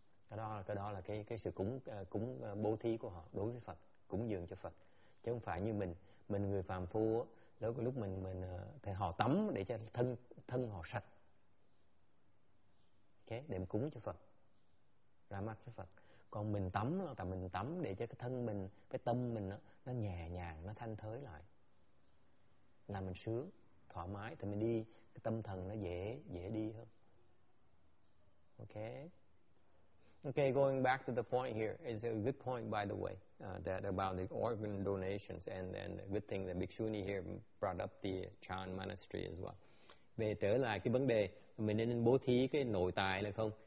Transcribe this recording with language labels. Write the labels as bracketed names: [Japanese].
[Vietnamese] Cái đó là cái sự cúng bố thí của họ đối với Phật, cúng dường cho Phật, chứ không phải như mình người phàm phu đó, có lúc mình thì họ tắm để cho thân họ sạch, okay, để mà cúng cho Phật, ra mắt với Phật. Còn mình tắm là tại mình tắm để cho cái thân mình, cái tâm mình nó nhẹ nhàng, nó thanh thới lại, làm mình sướng, thoải mái thì mình đi, cái tâm thần nó dễ đi hơn. [English] Okay. Going back to the point here, it's a good point by the way that about the organ donations and a good thing that Bhikshuni here brought up the Chan monastery as well. [Vietnamese] Về trở lại cái vấn đề mình nên bố thí cái nội tài là không?